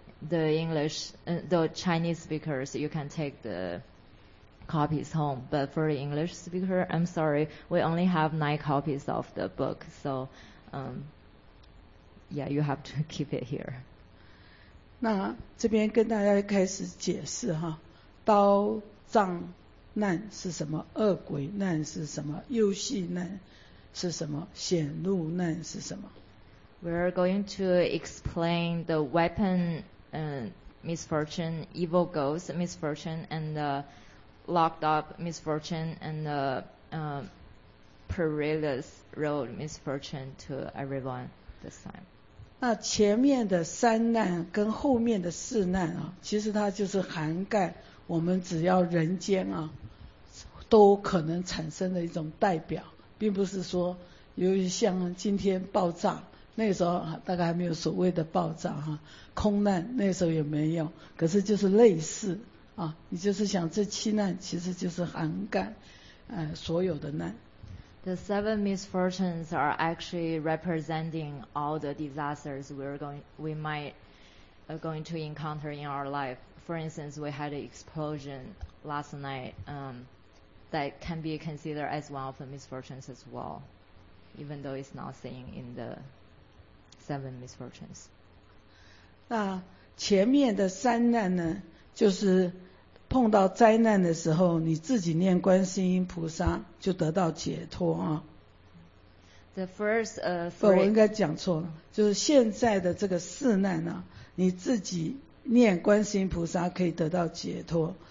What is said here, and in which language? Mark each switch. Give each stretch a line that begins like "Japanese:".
English: The English, the Chinese speakers, you can take the copies home. But for the English speaker, I'm sorry, we only have 9 copies of the book. So, yeah, you have to keep it here.
Chinese: 那这边跟大家开始解释哈，刀杖难是什么，恶鬼难是什么，诱戏难是什么，显露难是什么。
English: We're going to explain the weapon misfortune, evil ghost misfortune, and the locked up misfortune, and the perilous road misfortune to everyone this time.
Chinese: 那前面的三难跟后面的四难啊，其实它就是涵盖我们只要人间啊，都可能产生的一种代表，并不是说由于像今天爆炸。那时候大概还没有所谓的爆炸哈，空难那时候也没有，可是就是类似啊，你就是想这七难其实就是涵盖所有的难。
English: The seven misfortunes are actually representing all the disasters we might to encounter in our life. For instance, we had an explosion last night, that can be considered as one of the misfortunes as well, even though it's not seen in the seven misfortunes.
Chinese: 那前面的三难呢，就是碰到灾难的时候，你自己念观世音菩萨就得到解脱啊。
English: The first three.
Chinese: 不，我应该讲错了，就是现在的这个四难呢，你自己念观世音菩萨可以得到解脱。